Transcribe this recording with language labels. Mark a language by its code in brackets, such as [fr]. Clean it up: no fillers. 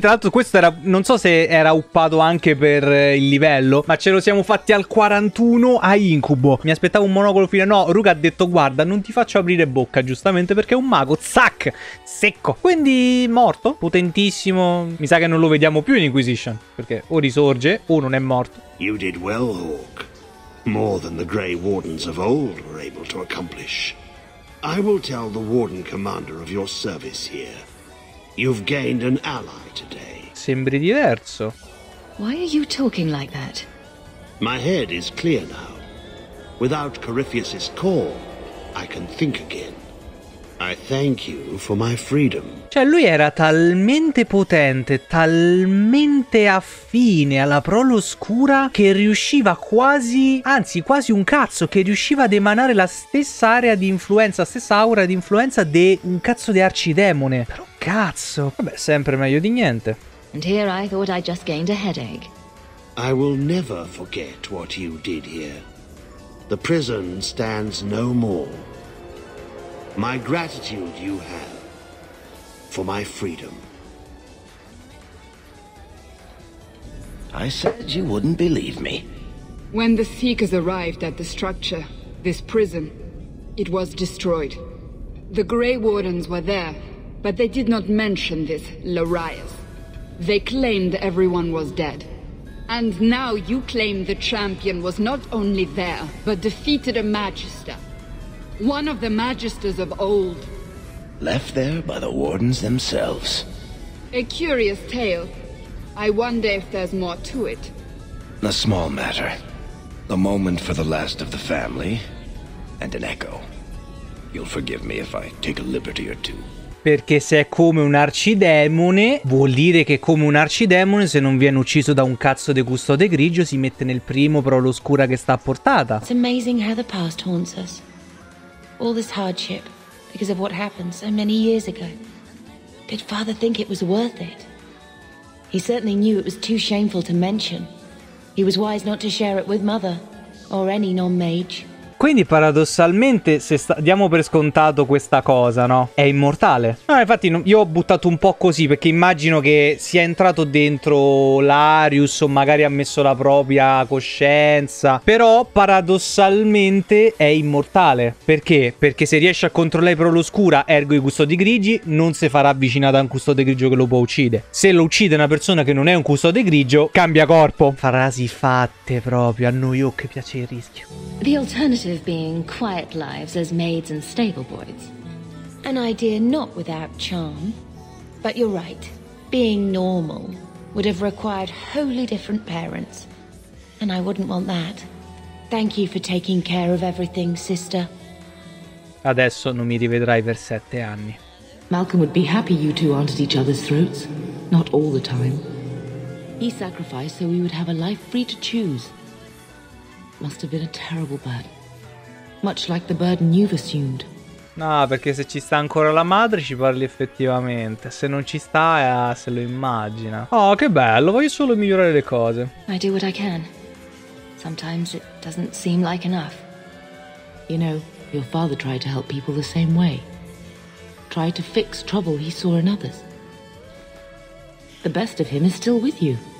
[it] Tra l'altro questo era, non so se era uppato anche per il livello, ma ce lo siamo fatti al 41 a incubo. Mi aspettavo un monocolo fine. No, Ruka ha detto: guarda, non ti faccio aprire bocca, giustamente, perché è un mago. Zac, secco. Quindi morto, potentissimo. Mi sa che non lo vediamo più in Inquisition, perché o risorge o non è morto. [en] You did well, Hawk. More than the Grey Wardens of old were able to accomplish. I will tell the Warden Commander of your service here. You've gained an ally today. [it] Sembri diverso. [en] Why are you talking like that? My head is clear now. Without Corypheus's call, I can think again. I thank you for my freedom. [it] Cioè, lui era talmente potente, talmente affine alla prole oscura, che riusciva quasi, anzi quasi un cazzo, che riusciva ad emanare la stessa area di influenza, stessa aura di influenza di un cazzo di arcidemone. Però cazzo. Vabbè, sempre meglio di niente. [en] And here I thought I just gained a headache. I will never forget what you did here. The prison stands no more. My gratitude you have for my freedom. I said you wouldn't believe me. When the Seekers arrived at the structure, this prison, it was destroyed. The Grey Wardens were there, but they did not mention this Larias. They claimed everyone was dead. And now you claim the champion was not only there, but defeated a magister. One of the magisters of old. Left there by the wardens themselves. A curious tale. I wonder if there's more to it. A small matter. A moment for the last of the family. And an echo. You'll forgive me if I take a liberty or two. [it] Perché se è come un arcidemone, vuol dire che come un arcidemone, se non viene ucciso da un cazzo di custode grigio, si mette nel primo pro l'oscura che sta a portata. [en] It's amazing how the past haunts us. All this hardship, because of what happened so many years ago. Did Father think it was worth it? He certainly knew it was too shameful to mention. He was wise not to share it with Mother or any non-mage. [it] Quindi paradossalmente, se diamo per scontato questa cosa, no? È immortale. No, infatti io ho buttato un po' così, perché immagino che sia entrato dentro l'Arius o magari ha messo la propria coscienza. Però paradossalmente è immortale. Perché? Perché se riesce a controllare però l'oscura, ergo i custodi grigi, non si farà avvicinata a un custode grigio che lo può uccidere. Se lo uccide una persona che non è un custode grigio, cambia corpo. Frasi fatte proprio, a noi che piace il rischio. [en] Of being quiet lives as maids and stable boys. An idea not without charm. But you're right. Being normal would have required wholly different parents. And I wouldn't want that. Thank you for taking care of everything, sister. [it] Adesso non mi rivedrai per 7 anni. [en] Malcolm would be happy you two aren't at each other's throats. Not all the time. He sacrificed so we would have a life free to choose. Must have been a terrible burden. Much like the burden you've assumed. [it] No, perché se ci sta ancora la madre ci parli effettivamente. Se non ci sta, se lo immagina. Oh, che bello, voglio solo migliorare le cose. [en] I do what I can. Sometimes it doesn't seem like enough. You know, your father tried to help people the same way. Tried to fix trouble he saw in others. The best of him is still with you.